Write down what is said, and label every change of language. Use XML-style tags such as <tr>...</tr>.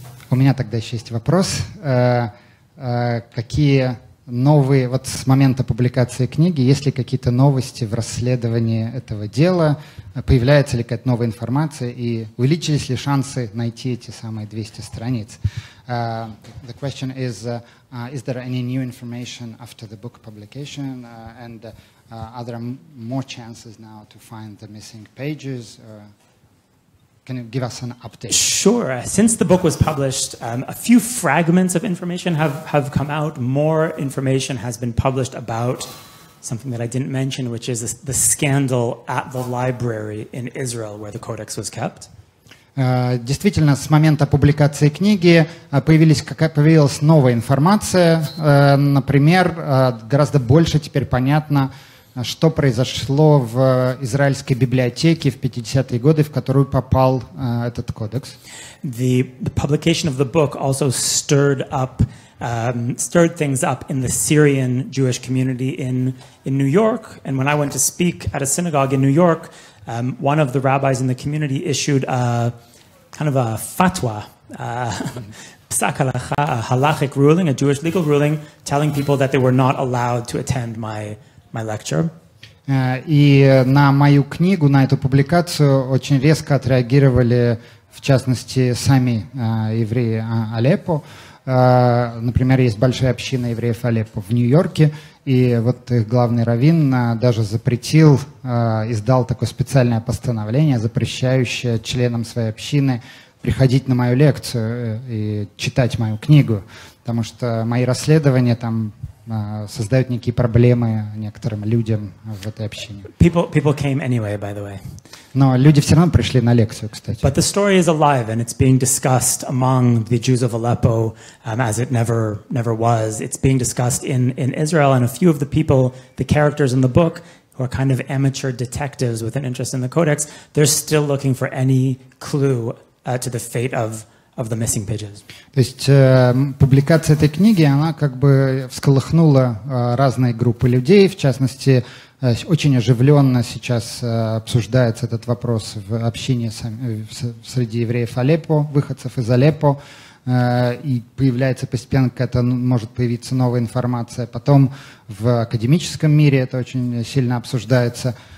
<ru>У меня тогда еще есть вопрос. Какие новые, вот с момента публикации книги, есть ли какие-то новости в расследовании этого дела? Появляется ли какая-то новая информация? И увеличились ли шансы найти эти самые 200 страниц?</ru> <en>The question is there any new information after the book publication? And are there more chances now to find the missing pages? Can you give us an update? Sure. Since the book was published, a few fragments of information have come out. More information has been published about something that I didn't mention, which is the scandal at the library in Israel where the codex was kept.</en> <ru>Действительно, с момента публикации книги появилась новая информация. Например, гораздо больше теперь понятно, что произошло в израильской библиотеке в 50-е годы, в которую попал этот кодекс.</ru> <en>The publication of the book also stirred things up in the Syrian Jewish community in New York. And when I went to speak at a synagogue in New York, one of the rabbis in the community issued a kind of a fatwa, psak halacha, a halachic ruling, a Jewish legal ruling, telling people that they were not allowed to attend my lecture.</en> <ru>И на мою книгу, на эту публикацию очень резко отреагировали, в частности, сами евреи Алеппо. Например, есть большая община евреев Алеппо в Нью-Йорке, и вот их главный раввин даже запретил, издал такое специальное постановление, запрещающее членам своей общины приходить на мою лекцию и читать мою книгу, потому что мои расследования там создают некие проблемы некоторым людям в этой общине.</ru> <en>People came anyway, by the way.</en> <ru>Но люди все равно пришли на лекцию, кстати.</ru> <en>But the story is alive and it's being discussed among the Jews of Aleppo as it never was. It's being discussed in Israel, and a few of the people, the characters in the book, who are kind of amateur detectives with an interest in the codex, they're still looking for any clue to the fate of the missing pages.</en> <ru>То есть публикация этой книги, она как бы всколыхнула разные группы людей, в частности, очень оживленно сейчас обсуждается этот вопрос в общине среди евреев Алеппо, выходцев из Алеппо, и появляется постепенно какая-то, может появиться новая информация. Потом в академическом мире это очень сильно обсуждается.</ru>